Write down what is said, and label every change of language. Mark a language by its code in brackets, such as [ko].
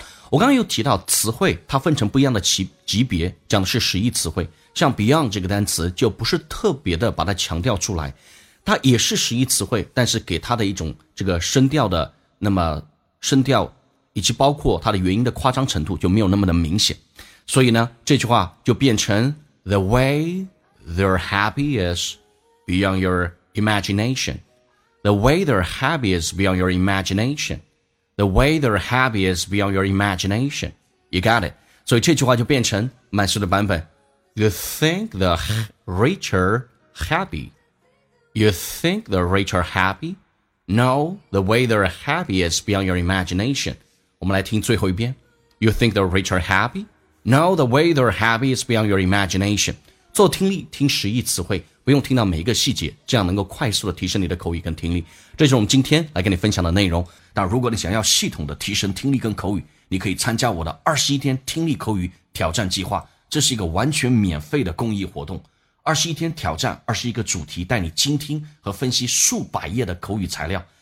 [zh] 我刚刚又提到词汇它分成不一样的级别，讲的是实义词汇，像 beyond 这个单词就不是特别的把它强调出来，它也是实义词汇，但是给它的一种这个声调的，那么声调以及包括它的元音的夸张程度就没有那么的明显，所以呢这句话就变成 [en] The way they're happy isBeyond your imagination. The way they're happy is beyond your imagination. The way they're happy is beyond your imagination. You got it. [zh] 所以这句话就变成慢速的版本。 [en] You think the rich are happy? You think the rich are happy? No, the way they're happy is beyond your imagination. [zh] 我们来听最后一遍。 [en] You think the rich are happy? No, the way they're happy is beyond your imagination. [zh] 做听力，听实义词汇，不用听到每一个细节，这样能够快速的提升你的口语跟听力。这是我们今天来跟你分享的内容。但如果你想要系统的提升听力跟口语，你可以参加我的21天听力口语挑战计划。这是一个完全免费的公益活动。21天挑战21个主题，带你精听和分析数百页的口语材料。